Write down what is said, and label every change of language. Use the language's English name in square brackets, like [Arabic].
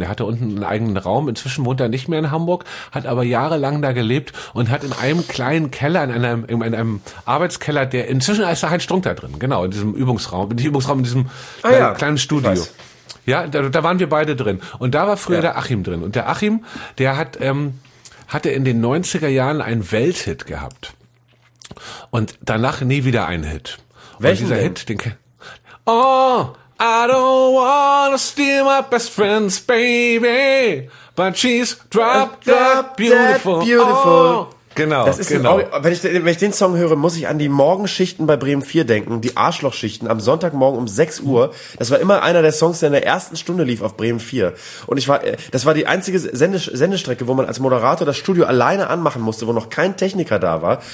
[German] Der hatte unten einen eigenen Raum. Inzwischen wohnt er nicht mehr in Hamburg, hat aber jahrelang da gelebt und hat in einem kleinen Keller, in einem Arbeitskeller, der inzwischen ist da Heinz Strunk da drin, genau, in diesem Übungsraum, kleinen Studio. Ja, da waren wir beide drin. Und da war früher der Achim drin. Und der Achim, der hatte in den 90er Jahren einen Welthit gehabt. Und danach nie wieder einen Hit. Welchen denn? [English] Hit, I don't wanna steal my best friend's baby, but she's drop dead beautiful. Beautiful. Oh. [German] Genau, das ist genau. Wenn ich den Song höre, muss ich an die Morgenschichten bei Bremen 4 denken, die Arschlochschichten am Sonntagmorgen um 6 Uhr. Das war immer einer der Songs, der in der ersten Stunde lief auf Bremen 4. Und das war die einzige Sendestrecke, wo man als Moderator das Studio alleine anmachen musste, wo noch kein Techniker da war.